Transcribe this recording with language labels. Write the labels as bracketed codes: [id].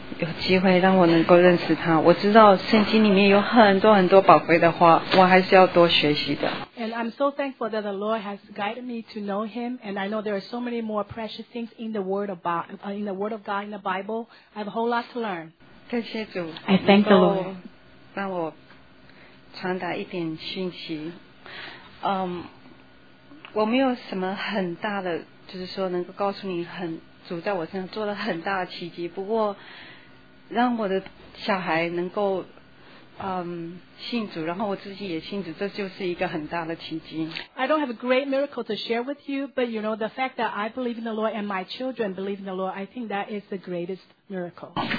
[zh] 有机会让我能够认识他。我知道圣经里面有很多很多宝贵的话，我还是要多学习的。 [en] And I'm so thankful that the Lord has guided me to know Him, and I know there are so many more precious things in the Word of God, in the Word of God, in the Bible. I have a whole lot to learn. [zh] 感谢主。 [en] I thank the Lord. [zh] 让我传达一点讯息。我没有什么很大的，就是说能够告诉你很。主在我身上做了很大的奇迹，不过让我的小孩能够信主，然后我自己也信主，这就是一个很大的奇迹。 [en] I don't have a great miracle to share with you, but you know the fact that I believe in the Lord and my children believe in the Lord, I think that is the greatest miracle.